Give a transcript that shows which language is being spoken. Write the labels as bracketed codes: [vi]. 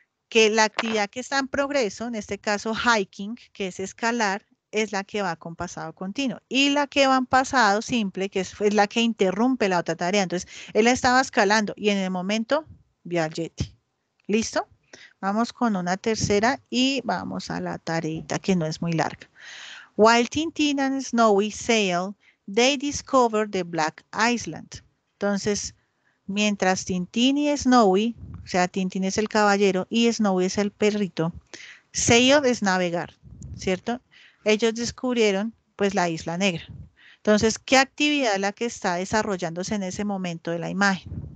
[es] Que la actividad que está en progreso, en este caso hiking, que es escalar, es la que va con pasado continuo. Y la que va en pasado simple, que es la que interrumpe la otra tarea. Entonces, él estaba escalando y en el momento vio al yeti. ¿Listo? Vamos con una tercera y vamos a la tareita que no es muy larga. [en] While Tintin and Snowy sail, they discover the Black Island. [es] Entonces, mientras Tintín y Snowy, o sea, Tintín es el caballero y Snowy es el perrito, sail es navegar, ¿cierto? Ellos descubrieron, pues, la Isla Negra. Entonces, ¿qué actividad es la que está desarrollándose en ese momento de la imagen?